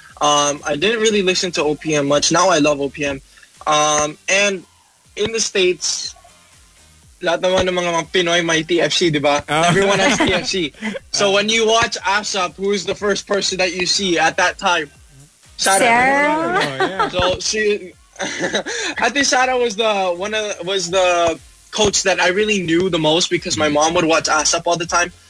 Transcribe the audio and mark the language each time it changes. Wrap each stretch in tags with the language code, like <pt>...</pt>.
<en>I didn't really listen to OPM much. Now I love OPM. And in the States,</en> <tl>lahat naman ng mga Pinoy may TFC, di ba?</tl> <en>Everyone has TFC. So when you watch ASAP, who is the first person that you see at that time? Sarah. Sarah. So she, I think Sarah was the coach that I really knew the most because my mom would watch ASAP all the time.</en>